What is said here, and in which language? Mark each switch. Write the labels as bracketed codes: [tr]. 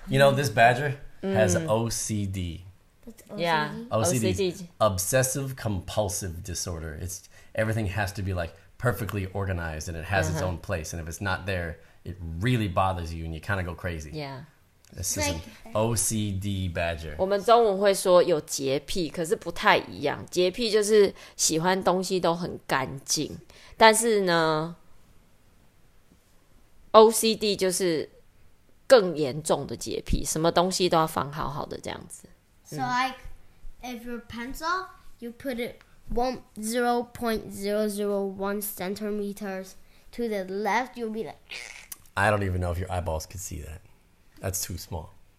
[en] You know, this badger has OCD. OCD. OCD. Obsessive compulsive disorder. It's everything has to be like perfectly organized and it has its own place. And if it's not there, it really bothers you and you kind of go crazy. Yeah. This is an OCD badger. [zh] 我们中文会说有洁癖，可是不太一样。洁癖就是喜欢东西都很干净，但是呢 ，OCD 就是更严重的洁癖，什么东西都要放好好的这样子。 [en] So like, if your pencil, you put it 0.001 centimeters to the left, you'll be like... I don't even know if your eyeballs could see that. That's too small.